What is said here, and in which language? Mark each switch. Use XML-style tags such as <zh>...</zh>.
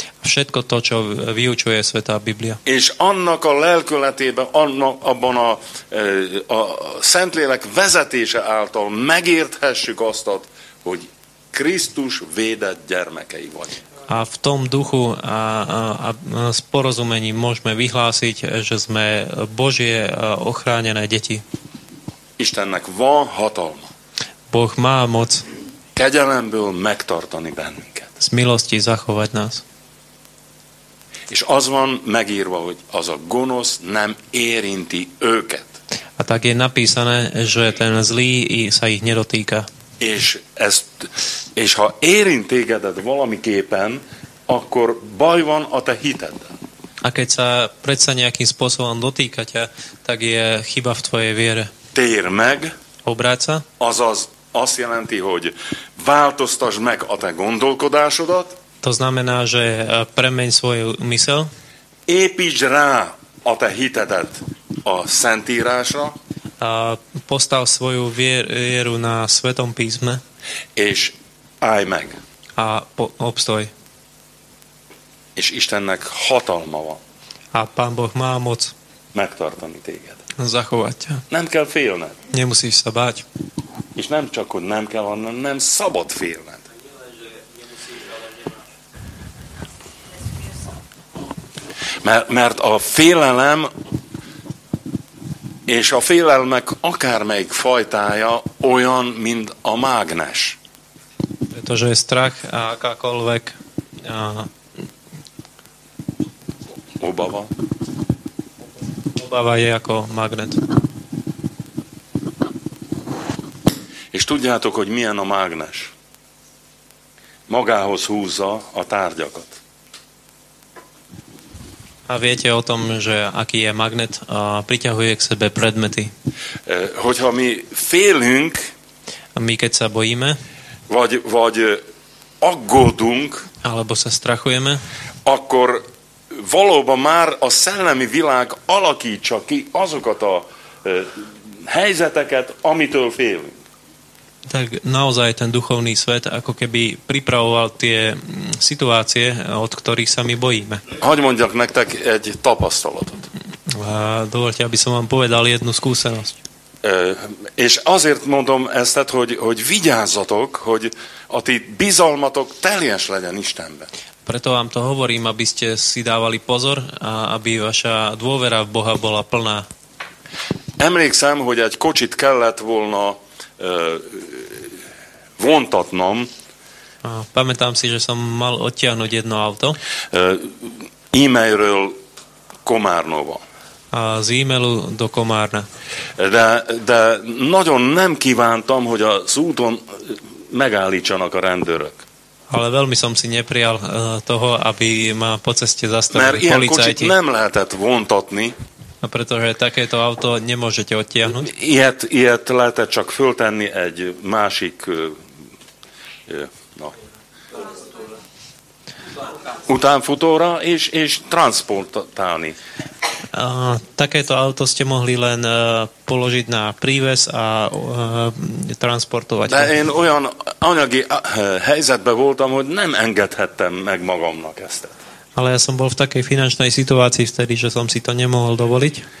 <sk>Všetko to, čo vyučuje Svätá Biblia.</sk> <hu>És annak a lelkületében, abban a Szentlélek vezetése által megérthessük azt, hogy Krisztus védett gyermekei vagyunk.</hu> <sk>A v tom duchu a s porozumením môžeme vyhlásiť, že sme Božie ochránené deti.</sk> <hu>Istennek van hatalma.</hu> <sk>Boh má moc.</sk> <hu>Kegyelemből megtartani bennünket.</hu> <sk>Z milosti zachovať nás.</sk> <hu>És az van megírva, hogy az a gonosz nem érinti őket.</hu> <sk>A tak je napísané, že ten zlý sa ich nedotýka.</sk> <hu>És ezt, és ha érint tégedet valamiképpen, akkor baj van a te hiteddel.</hu> <sk>A keď sa predsa nejakým spôsobom dotýka ťa, tak je chyba v tvojej viere.</sk> <hu>Tér meg.</hu> <sk>Obráť sa.</sk> <hu>Azaz azt jelenti, hogy változtasd meg a te gondolkodásodat.</hu> <sk>To znamená, že premeň svoju mysel.</sk> <hu>Építs rá a te hitedet a Szentírásra.</hu> <sk>A postav svoju vieru na Svetom písme.</sk> <hu>És állj meg.</hu> <sk>A obstoj.</sk> <hu>És Istennek hatalma van.</hu> <sk>A Pán Boh má moc.</sk> <hu>Megtartani téged.</hu> <sk>Zachovať ťa.</sk> <hu>Nem kell félned.</hu> <sk>Nemusíš sa báť.</sk> <hu>És nem csak, hogy nem kell, hanem nem szabad félned. Mert a félelem és a félelmek akármelyik fajtája olyan, mint a mágnes.</hu> <sk>Pretože strach a akákoľvek a obava. Obava je ako magnet.</sk> <hu>És tudjátok, hogy milyen a mágnes? Magához húzza a tárgyakat.</hu> <sk>A viete o tom, že aký je magnet a priťahuje k sebe predmety.</sk> <hu>Hogyha mi félünk,</hu> <sk>a my keď sa bojíme,</sk> <hu>vagy aggódunk,</hu> <sk>alebo sa strachujeme,</sk> <hu>akkor valóban már a szellemi világ alakítsa ki azokat a helyzeteket, amitől félünk.</hu> <sk>Tak naozaj ten duchovný svet ako keby pripravoval tie situácie, od ktorých sa my bojíme.</sk> <hu>Hoď mondjak nektek egy tapasztalatot.</hu> <sk>Dovolte, aby som vám povedal jednu skúsenosť.</sk> <hu>És azért mondom ezt, hogy vigyázzatok, hogy a ti bizalmatok teljes legyen Istenben.</hu> <sk>Preto vám to hovorím, aby ste si dávali pozor, a aby vaša dôvera v Boha bola plná.</sk> <hu>Emlékszem, hogy egy kocsit kellett volna vontatnom.</hu> <sk>Pamätám si, že som mal odtiahnuť jedno auto.</sk> <hu>E-mailről Komárnova.</hu> <sk>Z e-mailu do Komárna.</sk> <hu>De nagyon nem kívántam, hogy az úton megállítsanak a rendőrök.</hu> <sk>Ale veľmi som si neprijal toho, aby ma po ceste zastavili policajti.</sk> <hu>Mert ilyen kocsit nem lehetett vontatni.</hu> <sk>A pretože takéto auto nemôžete odtiahnuť?</sk> <hu>Ilyet lehetett csak föltenni egy másik no. utánfutóra és transportálni.</hu> <sk>Takéto auto ste mohli len položiť na príves a transportovať.</sk> <hu>De én olyan anyagi helyzetben voltam, hogy nem engedhettem meg magamnak ezt.</hu> <sk>Ale ja som bol v takej finančnej situácii vtedy, že som si to nemohol dovoliť.</sk>